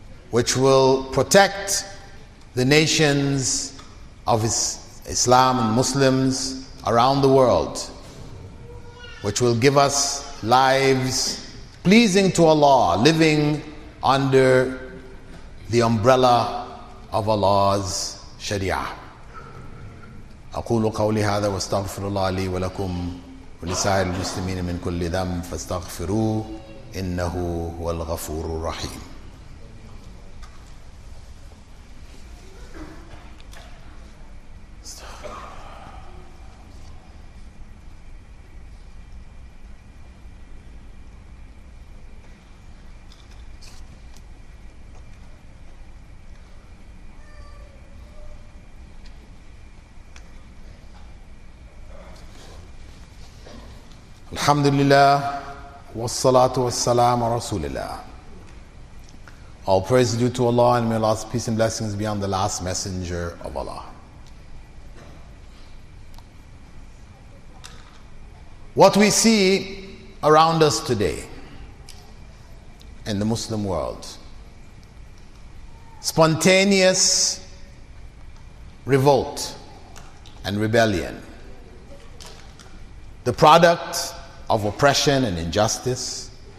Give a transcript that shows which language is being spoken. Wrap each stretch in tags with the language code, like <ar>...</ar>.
<en>which will protect the nations of Islam and Muslims around the world, which will give us lives pleasing to Allah, living under the umbrella of Allah's Sharia.</en> <ar>أقول قولي هذا واستغفر الله لي ولكم ولسائر المسلمين من كل ذنب فاستغفروه إنه هو الغفور الرحيم. الحمد لله والصلاة والسلام على رسول الله.</ar> <en>All praise due to Allah and may Allah's peace and blessings be on the last messenger of Allah. What we see around us today in the Muslim world, spontaneous revolt and rebellion, the product of oppression and injustice,</en>